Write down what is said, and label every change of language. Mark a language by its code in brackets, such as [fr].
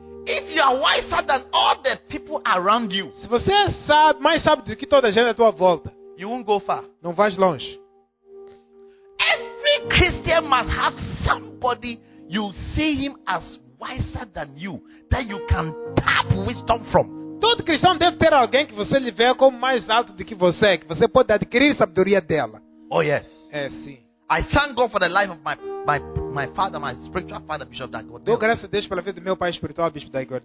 [en] If you are wiser than all the people around you. [pt] Se você é sábio, mais sábio do que toda a gente à tua volta. [en] You won't go far. [pt] Não vais longe. [en] Every Christian must have somebody. You see him as wiser than you, that you can tap wisdom from. [pt] Todo cristão deve ter alguém que você lhe vê como mais alto do que você, que você pode adquirir sabedoria dela. [en] Oh yes. [pt] É sim. [en] I thank God for the life of my father, my spiritual father, Bishop Dagordo. [pt] Dou graças a Deus pela vida do meu pai espiritual, Bispo Dagordo.